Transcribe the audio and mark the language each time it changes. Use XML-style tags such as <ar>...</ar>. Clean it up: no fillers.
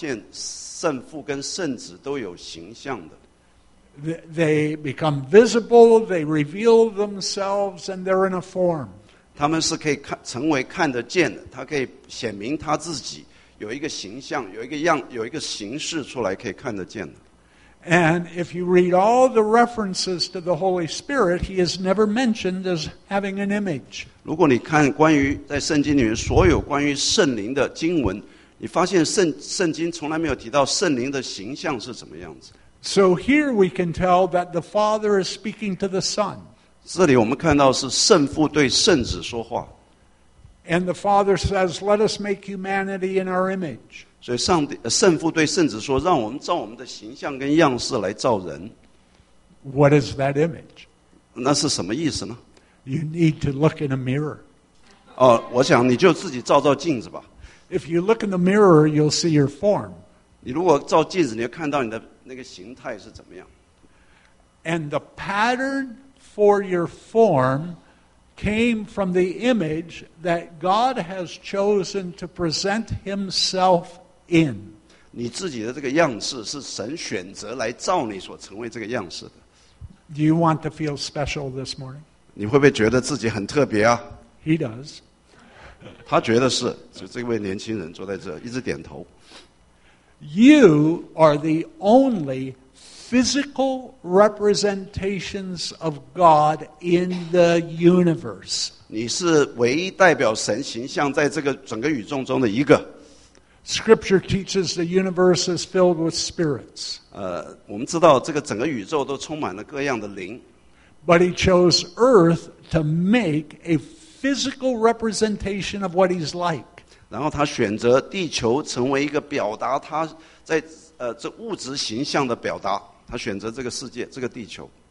<zh>如果你读整本圣经，就发现圣父跟圣子都有形象的。</zh> <en>They become visible, they reveal themselves, and they're in a form.</en> <zh>他们是可以成为看得见的，他可以显明他自己。有一个形象，有一个形式出来可以看得见的。</zh> <en>And if you read all the references to the Holy Spirit, he is never mentioned as having an image.</en> <zh>如果你看关于在圣经里面所有关于圣灵的经文，你发现圣经从来没有提到圣灵的形象是怎么样子。</zh> <en>So here we can tell that the Father is speaking to the Son.</en> <zh>这里我们看到是圣父对圣子说话。</zh> <en>And the Father says, let us make humanity in our image.</en> <zh>所以上帝，圣父对圣子说，让我们照我们的形象跟样式来造人。</zh> <en>What is that image?</en> <zh>那是什么意思呢？</zh> <en>You need to look in a mirror.</en> <zh>哦，我想你就自己照照镜子吧。</zh> <en>If you look in the mirror, you'll see your form.</en> <zh>你如果照镜子，你就看到你的那个形态是怎么样。</zh> <en>And the pattern for your form came from the image that God has chosen to present himself in.</en> <zh>你自己的这个样式是神选择来造你所成为这个样式的。</zh> <en>Do you want to feel special this morning?</en> <zh>你会不会觉得自己很特别啊？</zh> <en>He does.</en> <zh>他觉得是，就这位年轻人坐在这，一直点头。</zh> <en>You are the only physical representations of God in the universe.</en> <zh>你是唯一代表神形象在这个整个宇宙中的一个。</zh> <en>Scripture teaches the universe is filled with spirits.</en> <zh>我们知道这个整个宇宙都充满了各样的灵。</zh> <en>But he chose Earth to make a physical representation of what he's like.</en> <zh>然后他选择地球成为一个表达他在这物质形象的表达。他选择这个世界，这个地球。</zh>